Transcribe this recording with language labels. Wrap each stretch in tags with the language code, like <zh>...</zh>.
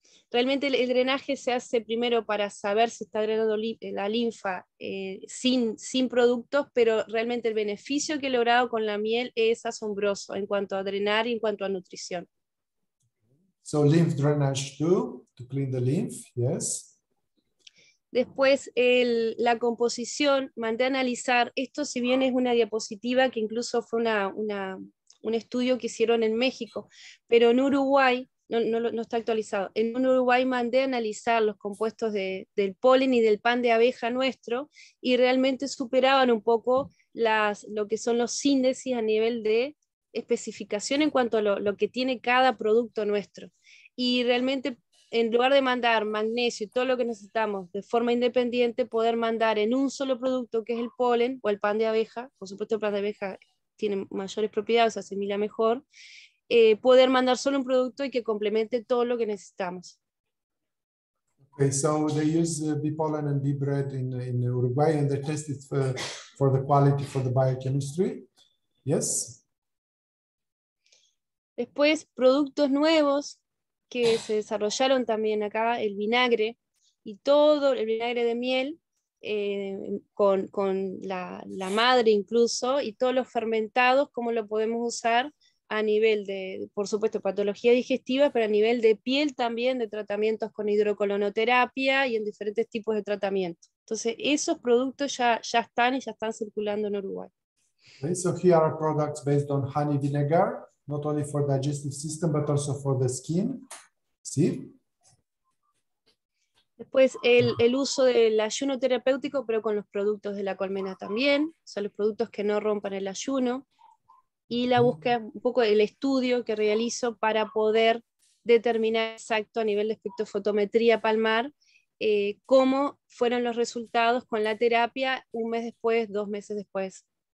<es>Realmente el drenaje se hace primero para saber si está drenando la linfa sin productos, pero realmente el beneficio que he logrado con la miel es asombroso en cuanto a drenar y en cuanto a nutrición.</es> <en>So lymph drainage too, to clean the lymph, yes.</en> <es>Después la composición, mandé a analizar, esto si bien es una diapositiva que incluso fue un estudio que hicieron en México, pero en Uruguay, No está actualizado. En Uruguay mandé a analizar los compuestos del polen y del pan de abeja nuestro y realmente superaban un poco lo que son los índices a nivel de especificación en cuanto a lo que tiene cada producto nuestro. Y realmente, en lugar de mandar magnesio y todo lo que necesitamos de forma independiente, poder mandar en un solo producto, que es el polen o el pan de abeja, por supuesto el pan de abeja tiene mayores propiedades, se asimila mejor, poder mandar solo un producto y que complemente todo lo que necesitamos.</es> <en>Okay, so they use bee pollen and bee bread in Uruguay and they test it for the quality for the biochemistry. Yes.</en> <es>Después, productos nuevos que se desarrollaron también acá, el vinagre y todo el vinagre de miel con la madre incluso y todos los fermentados, cómo lo podemos usar a nivel de, por supuesto, patología digestiva, pero a nivel de piel también, de tratamientos con hidrocolonoterapia y en diferentes tipos de tratamientos. Entonces, esos productos ya están y ya están circulando en Uruguay.</es> <en>Okay, so here are products based on honey vinegar, not only for digestive system, but also for the skin.</en> <es>¿Sí? Después, el uso del ayuno terapéutico, pero con los productos de la colmena también, o sea, los productos que no rompan el ayuno. Y la búsqueda, un poco el estudio que realizo para poder determinar exacto a nivel de espectrofotometría palmar cómo fueron los resultados con la terapia un mes después, dos meses después.</es>